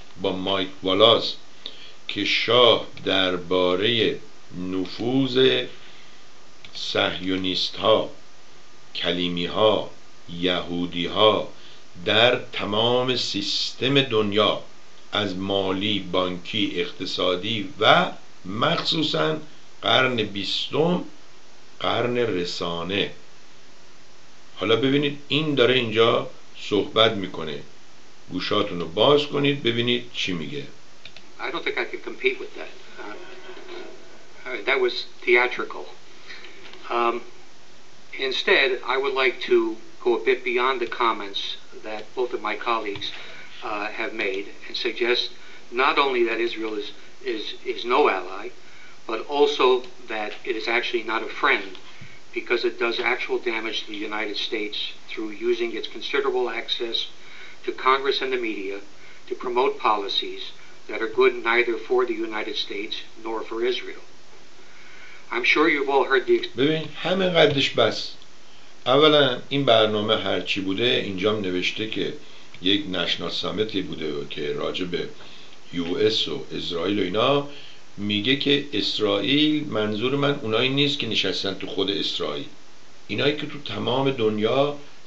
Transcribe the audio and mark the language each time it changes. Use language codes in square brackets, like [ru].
[fa] با مایک والاس که شاه درباره نفوذ صهیونیست ها، کلیمی ها، یهودی ها در تمام سیستم دنیا از مالی، بانکی، اقتصادی و مخصوصا قرن بیستم، قرن رسانه. حالا ببینید این داره اینجا صحبت میکنه، گوشاتون رو باز کنید ببینید چی میگه. [en] I don't think I can compete with that. That was theatrical. Instead, I would like to go a bit beyond the comments that both of my colleagues have made and suggest not only that Israel is no ally, but also that it is actually not a friend, because it does actual damage to the United States through using its considerable access to Congress and the media to promote policies that are good neither for the United States nor for Israel. I'm sure you've all heard the [fa] ببین همین قدش بس. اولا این برنامه هرچی بوده اینجام نوشته که یک نشنال سامیتی بوده که راجع به یو اس و اسرائیل و اینا میگه که اسرائیل، منظور من اونایی نیست که نشستن تو خود اسرائیل، اینایی که تو تمام دنیا